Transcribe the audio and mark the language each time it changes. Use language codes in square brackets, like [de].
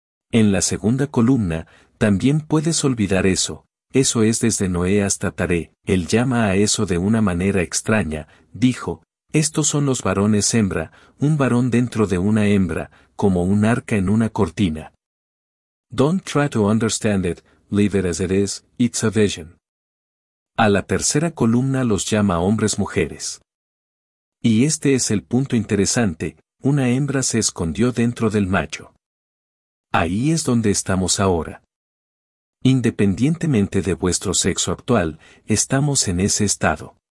[es] En la segunda columna, también puedes olvidar eso, eso es desde Noé hasta Taré, él llama a eso de una manera extraña, dijo, estos son los varones hembra, un varón dentro de una hembra, como un arca en una cortina. [en] Don't try to understand it, leave it as it is, it's a vision. [es] A la tercera columna los llama hombres-mujeres. Y este es el punto interesante, una hembra se escondió dentro del macho. Ahí es donde estamos ahora. Independientemente de vuestro sexo actual, estamos en ese estado.